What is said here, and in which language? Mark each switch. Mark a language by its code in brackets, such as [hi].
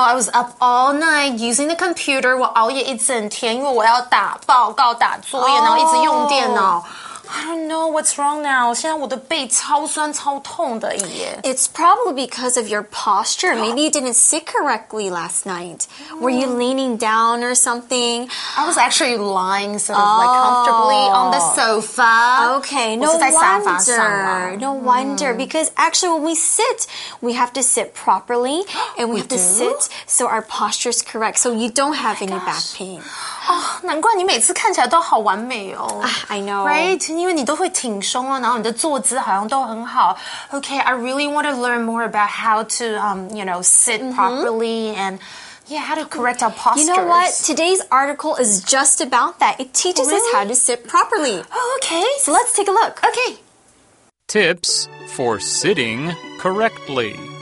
[en] I was up all night using the computer. [zh] 我熬夜一整天，因为我要打报告、打作业，然后一直用电脑。 [en] I don't know what's wrong now. [zh] 现在我的背超酸超痛的耶。 [en] It's probably because of your posture. Maybe you didn't sit correctly last night. Were you leaning down or something? I was actually lying sort of like comfortably on the sofa. Okay, no wonder. No wonder. Because actually when we sit, we have to sit properly. And we have to sit so our posture is correct. So you don't have any back pain. [zh] 哦，难怪你每次看起来都好完美哦。 [en] I know. Right? [zh] 因为你都会挺胸啊，然后你的坐姿好像都很好。 [en] Okay, I really want to learn more about how to, you know, sit properly and... Yeah, how to correct our postures. You know what? Today's article is just about that. It teaches us how to sit properly. Oh, okay. So let's take a look. Okay. Tips for sitting correctly.